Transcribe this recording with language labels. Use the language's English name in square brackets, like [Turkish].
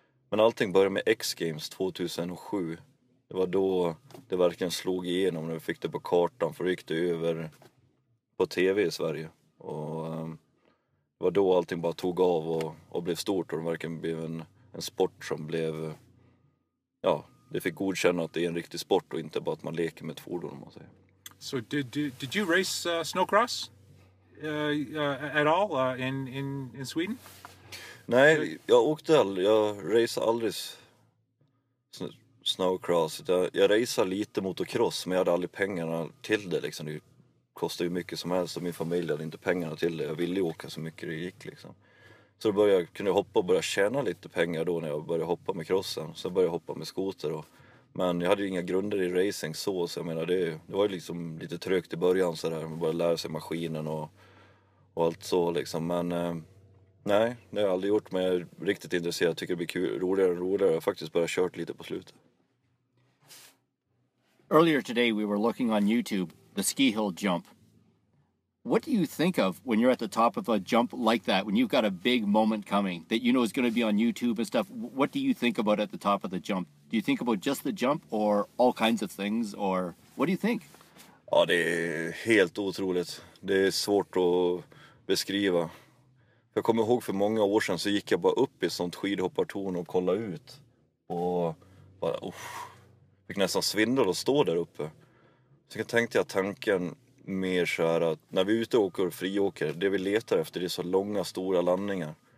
[Swedish] Men allting började med X Games 2007. Det var då det verkligen slog igenom när vi fick det på kartan, för då gick det över på tv i Sverige. Och det var då allting bara tog av och blev stort. Och det verkligen blev en sport som blev, ja, det fick godkänna att det är en riktig sport och inte bara att man leker med ett fordon, om man säger. [English] So did you race snowcross at all in Sweden? [Swedish] Nej, jag race aldrig snowcross. Jag racear lite motocross, men jag hade aldrig pengarna till det liksom. Kostar ju mycket som helst och min familj hade inte pengarna till det. Jag ville ju åka så mycket det gick liksom. Så då kunde jag hoppa och börja tjäna lite pengar då när jag började hoppa med crossen. Så började jag hoppa med skoter då. Men jag hade ju inga grunder i racing så jag menar det var ju liksom lite trögt i början så där. Man började lära sig maskinen och allt så liksom. Men nej, det har jag aldrig gjort, men jag är riktigt intresserad. Jag tycker det blir kul, roligare och roligare. Jag har faktiskt börjat kört lite på slutet. [English] Earlier today we were looking on YouTube. The ski hill jump. What do you think of when you're at the top of a jump like that, when you've got a big moment coming that you know is going to be on YouTube and stuff? What do you think about at the top of the jump? Do you think about just the jump or all kinds of things, or what do you think? [Swedish] Ja, det är helt otroligt. Det är svårt att beskriva. Jag kommer ihåg för många år sedan så gick jag bara upp i sånt skidhoppartorn och kollade ut. Och bara, fick nästan svindel att stå där uppe. Så jag tänkte jag tanken mer så här att när vi ute åker och friåker, det vi letar efter är så långa, stora landningar.